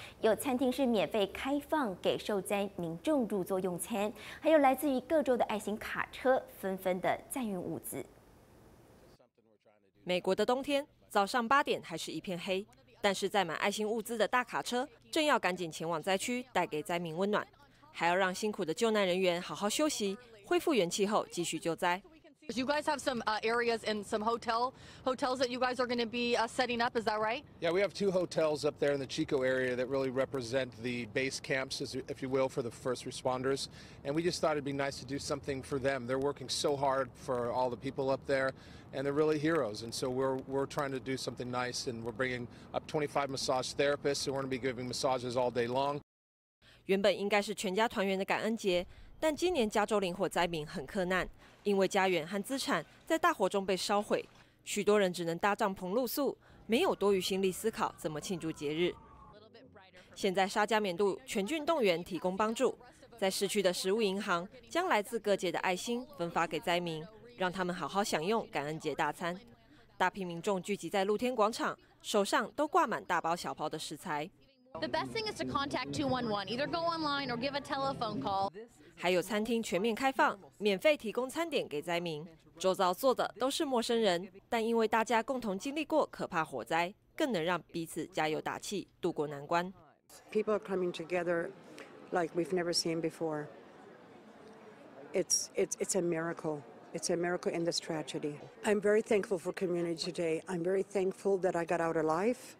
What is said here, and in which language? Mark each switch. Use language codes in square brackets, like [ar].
[zh] 有餐厅是免费开放给受灾民众入座用餐，还有来自于各州的爱心卡车纷纷的载运物资。美国的冬天，早上8点还是一片黑，但是载满爱心物资的大卡车正要赶紧前往灾区，带给灾民温暖，还要让辛苦的救难人员好好休息。恢复元气后，继续救灾。 [en] You guys have some areas and some hotels that you guys are going to be setting up. Is that right? Yeah, we have 2 hotels up there in the Chico area that really represent the base camps, if you will, for the first responders. And we just thought it'd be nice to do something for them. They're working so hard for all the people up there, and they're really heroes. And so we're trying to do something nice, and we're bringing up 25 massage therapists, and we're going to be giving massages all day long. [zh] 原本应该是全家团圆的感恩节。但今年加州林火灾民很困难，因为家园和资产在大火中被烧毁，许多人只能搭帐篷露宿，没有多余心力思考怎么庆祝节日。现在沙加缅度全郡动员提供帮助，在市区的食物银行将来自各界的爱心分发给灾民，让他们好好享用感恩节大餐。大批民众聚集在露天广场，手上都挂满大包小包的食材。 [en] The best thing is to contact 211, either go online or give a telephone call. [zh] 还有餐厅全面开放，免费提供餐点给灾民。周遭坐的都是陌生人，但因为大家共同经历过可怕火灾，更能让彼此加油打气，渡过难关。 [en] People are coming together like we've never seen before. It's a miracle. It's a miracle in this tragedy. I'm very thankful for community today. I'm very thankful that I got out alive.